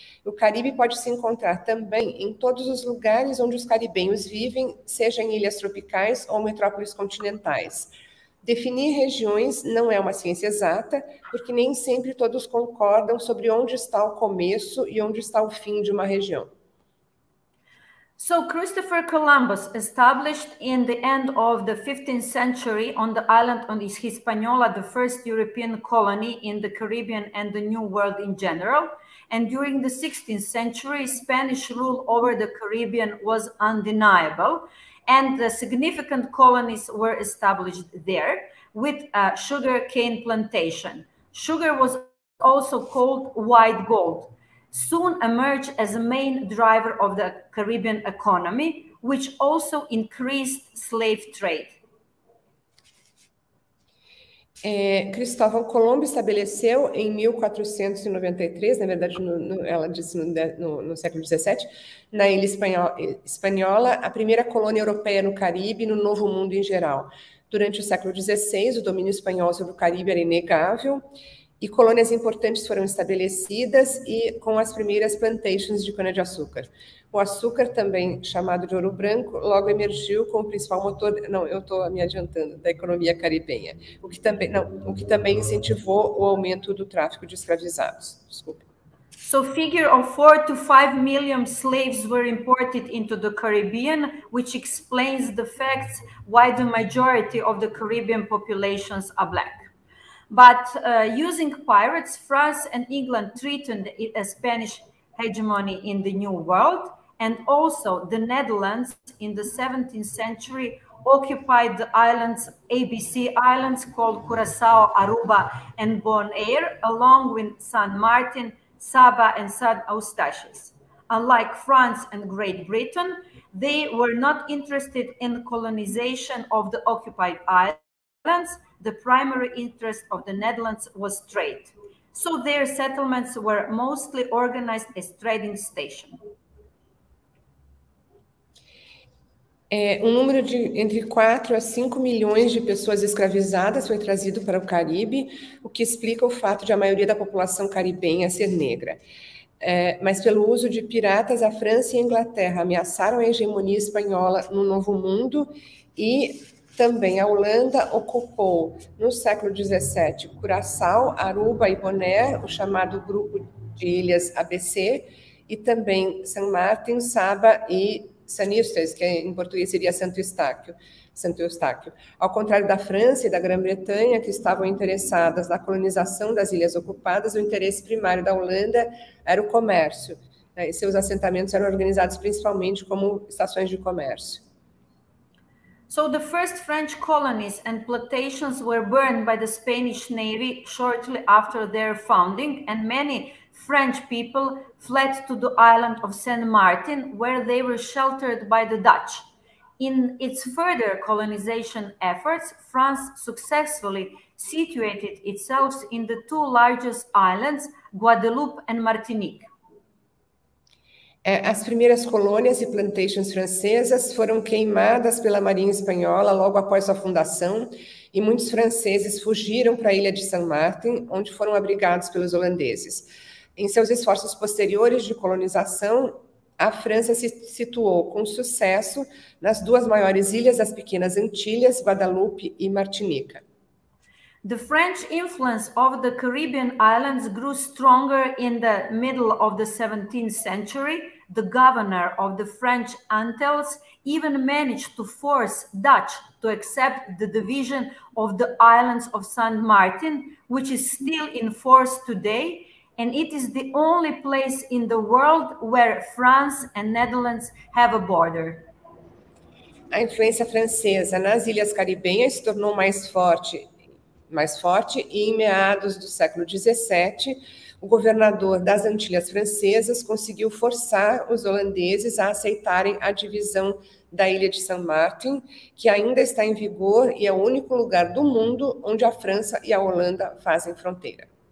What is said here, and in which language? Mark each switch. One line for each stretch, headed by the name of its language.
Portuguese: O Caribe pode se encontrar também em todos os lugares onde os caribenhos vivem, seja em ilhas tropicais ou metrópoles continentais. Definir regiões não é uma ciência exata, porque nem sempre todos concordam sobre onde está o começo e onde está o fim de uma região.
English: So Christopher Columbus established in the end of the 15th century on the island of Hispaniola, the first European colony in the Caribbean and the New World in general. And during the 16th century, Spanish rule over the Caribbean was undeniable. And the significant colonies were established there with a sugar cane plantation. Sugar was also called white gold. Soon emerged as a main driver of the Caribbean economy, which also increased slave trade.
Portuguese: É, Cristóvão Colombo estabeleceu em 1493, na verdade, ela disse no século XVII, na ilha espanhola, a primeira colônia europeia no Caribe e no Novo Mundo em geral. Durante o século XVI, o domínio espanhol sobre o Caribe era inegável, e colônias importantes foram estabelecidas e com as primeiras plantations de cana-de-açúcar. O açúcar, também chamado de ouro branco, logo emergiu como principal motor, da economia caribenha, o que também incentivou o aumento do tráfico de escravizados. Desculpa.
English: So figure of 4 to 5 million slaves were imported into the Caribbean, which explains the facts why the majority of the Caribbean populations are black. But using pirates, France and England threatened a Spanish hegemony in the New World, and also the Netherlands in the 17th century occupied the islands, ABC islands called Curaçao, Aruba and Bonaire, along with San Martin, Saba and San Eustatius. Unlike France and Great Britain, they were not interested in the colonization of the occupied islands. The primary interest of the Netherlands was trade. So their settlements were mostly organized as trading stations.
Portuguese: É, um número de entre 4 a 5 milhões de pessoas escravizadas foi trazido para o Caribe, o que explica o fato de a maioria da população caribenha ser negra. É, mas pelo uso de piratas, a França e a Inglaterra ameaçaram a hegemonia espanhola no Novo Mundo e também a Holanda ocupou, no século XVII, Curaçao, Aruba e Bonaire, o chamado grupo de ilhas ABC, e também San Martín, Saba e Sanistas, que em português seria Santo Eustáquio. Ao contrário da França e da Grã-Bretanha, que estavam interessadas na colonização das ilhas ocupadas, o interesse primário da Holanda era o comércio, né, e seus assentamentos eram organizados principalmente como estações de comércio.
English: So the first French colonies and plantations were burned by the Spanish Navy shortly after their founding, and many French people fled to the island of Saint Martin, where they were sheltered by the Dutch. In its further colonization efforts, France successfully situated itself in the two largest islands, Guadeloupe and Martinique.
Portuguese: As primeiras colônias e plantations francesas foram queimadas pela Marinha Espanhola logo após a fundação, e muitos franceses fugiram para a ilha de Saint Martin, onde foram abrigados pelos holandeses. Em seus esforços posteriores de colonização, a França se situou com sucesso nas duas maiores ilhas das Pequenas Antilhas, Guadalupe e Martinica.
English: The French influence of the Caribbean islands grew stronger in the middle of the 17th century. The governor of the French Antilles even managed to force Dutch to accept the division of the islands of Saint Martin, which is still in force today. And it is the only place in the world where France and Netherlands have a border.
Portuguese: A influência francesa nas ilhas caribenhas se tornou mais forte, e em meados do século XVII, o governador das Antilhas francesas conseguiu forçar os holandeses a aceitarem a divisão da ilha de Saint Martin, que ainda está em vigor e é o único lugar do mundo onde a França e a Holanda fazem fronteira.